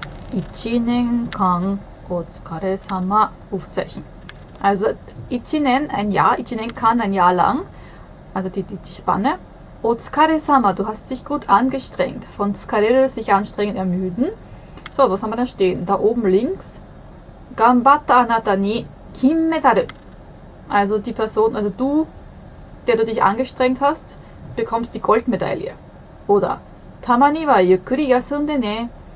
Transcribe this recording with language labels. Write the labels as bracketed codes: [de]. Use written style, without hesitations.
[ja] 1年間お疲れ様。Rufzeichen. [de] Also, 1年, ein Jahr, 1年間, ein Jahr lang. Also, die Spanne. お疲れ様, du hast dich gut angestrengt. Von 疲れる, sich anstrengen, ermüden. So, was haben wir da stehen? Da oben links. [ja] 頑張ったあなたに金メダル. [de] Also, die Person, also du, der du dich angestrengt hast, bekommst die Goldmedaille. [ja] Oder, たまにはゆっくり休んでね.